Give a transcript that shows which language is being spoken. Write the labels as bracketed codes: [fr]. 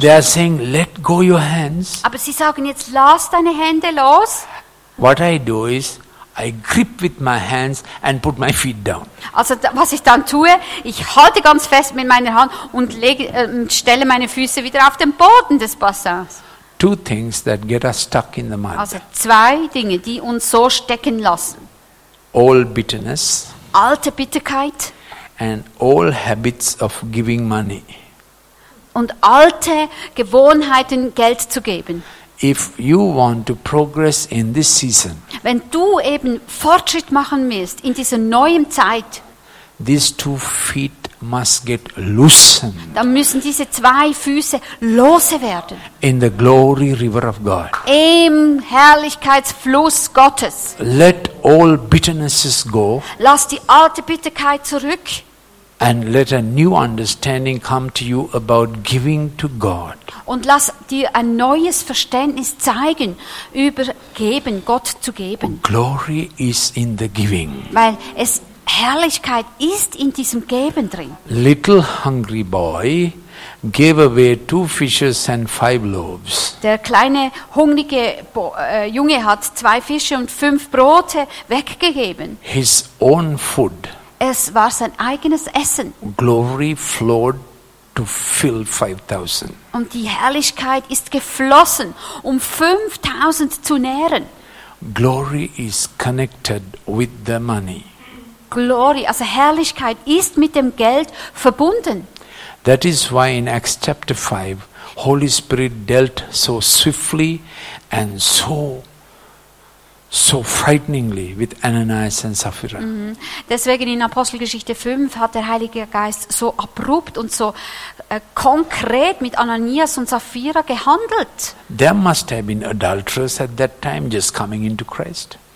[en] They are saying, let go your hands. [de] Aber sie sagen jetzt, lass deine Hände los. [en] What I do is, I grip with my hands and put my feet down. [de] Also was ich dann tue, ich halte ganz fest mit meiner Hand und stelle meine Füße wieder auf den Boden des Bassins. [en] Two things that get us stuck in the mind. [de] Also zwei Dinge, die uns so stecken lassen. [en] Old bitterness. [de] Alte Bitterkeit. [en] And old habits of giving money. [de] Und alte Gewohnheiten, Geld zu geben. [en] If you want to progress in this season, [de] wenn du eben Fortschritt machen willst in dieser neuen Zeit, [en] these two feet must get loosened. [de] Dann müssen diese zwei Füße lose werden. [en] In the glory river of God. [de] Im Herrlichkeitsfluss Gottes. [en] Let all bitternesses go. [de] Lass die alte Bitterkeit zurück. [en] And let a new understanding come to you about giving to God. [de] Und lass dir ein neues Verständnis zeigen über geben, Gott zu geben. [en] Glory is in the giving. [de] Weil es Herrlichkeit ist in diesem Geben drin. [en] Little hungry boy gave away two fishes and five loaves. [de] Der kleine hungrige Junge hat zwei Fische und fünf Brote weggegeben. [en] His own food. [de] Es war sein eigenes Essen. [en] Glory flowed to fill 5,000. [de] Und die Herrlichkeit ist geflossen, um 5,000 zu nähren. [en] Glory is connected with the money. [de] Glory, also Herrlichkeit ist mit dem Geld verbunden. [en] That is why in Acts chapter 5, Holy Spirit dealt so swiftly and so frighteningly with Ananias and Sapphira. Mm-hmm. [de] Deswegen in Apostelgeschichte 5 hat der Heilige Geist so abrupt und so konkret mit Ananias und Sapphira gehandelt. [en] There must have been adulterers at that time just coming into Christ.